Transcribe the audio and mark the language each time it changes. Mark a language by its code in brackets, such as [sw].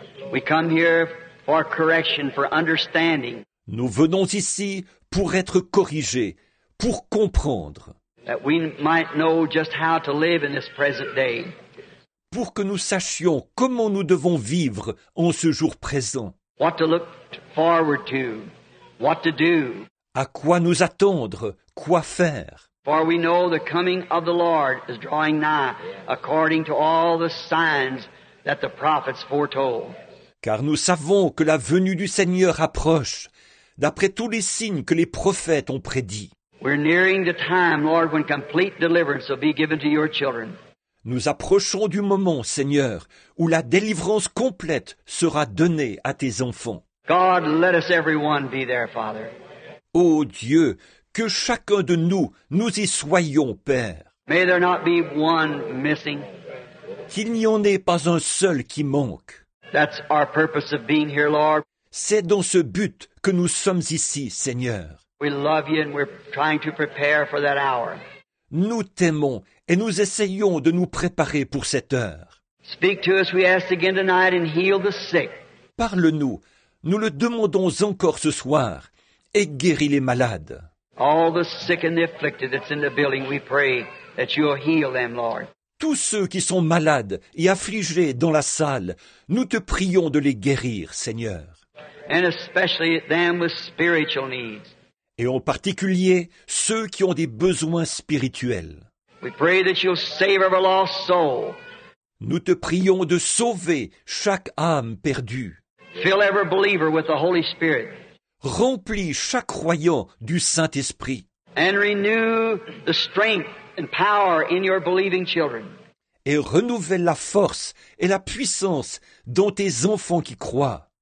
[en] We come here for correction, for understanding. [fr] Nous venons ici pour être corrigés, pour comprendre. [en] That we might know just how to live in this present day. [fr] Pour que nous sachions comment nous devons vivre en ce jour présent. [en] What to look forward to, what to do. [fr] À quoi nous attendre, quoi faire. [en] For we know the coming of the Lord is drawing nigh, according to all the signs that the prophets foretold. [fr] Car nous savons que la venue du Seigneur approche, d'après tous les signes que les prophètes ont prédits. [en] We're nearing the time, Lord, when complete deliverance will be given to your children. [fr] Nous approchons du moment, Seigneur, où la délivrance complète sera donnée à tes enfants. [en] God, let us everyone be there, Father. [fr] Ô Dieu, que chacun de nous, nous y soyons, Père. [en] May there not be one missing. [fr] qu'il n'y en ait pas un seul qui manque. [en] That's our purpose of being here, Lord. [fr] C'est dans ce but que nous sommes ici, Seigneur. [en] We love you and we're trying to prepare for that hour. [fr] Nous t'aimons et nous essayons de nous préparer pour cette heure. [en] Speak to us, we ask again tonight, and heal the sick. [fr] Parle-nous, nous le demandons encore ce soir, et guéris les malades. [en] All the sick and the afflicted that's in the building, we pray that you'll heal them, Lord. [fr] Tous ceux qui sont malades et affligés dans la salle, nous te prions de les guérir, Seigneur. [en] And especially them with spiritual needs. [fr] Et en particulier ceux qui ont des besoins spirituels. [en] We pray that you'll save every lost soul. [fr] Nous te prions de sauver chaque âme perdue. [en] Fill every believer with the Holy Spirit. [fr] Remplis chaque croyant du Saint-Esprit. [en] And renew the strength and power in your believing children. [fr] Et renouvelle la force et la puissance dans tes enfants qui croient.